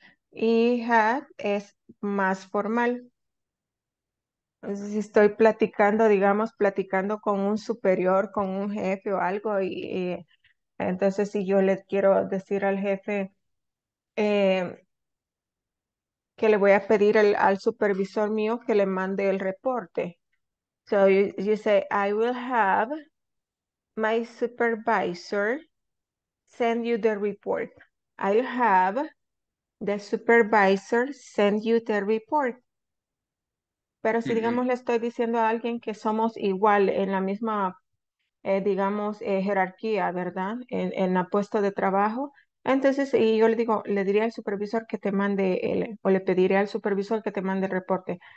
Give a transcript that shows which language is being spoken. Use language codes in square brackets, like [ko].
[es] Y have es más formal. Entonces, si estoy platicando, digamos, platicando con un superior, con un jefe o algo, y entonces si yo le quiero decir al jefe que le voy a pedir al supervisor mío que le mande el reporte. [en] So you say, I will have my supervisor send you the report. I have the supervisor send you the report. [es] Pero si digamos le estoy diciendo a alguien que somos igual en la misma, digamos, jerarquía, ¿verdad? En la puesto de trabajo. Entonces, y yo le diría al supervisor que te mande o le pediré al supervisor que te mande el reporte.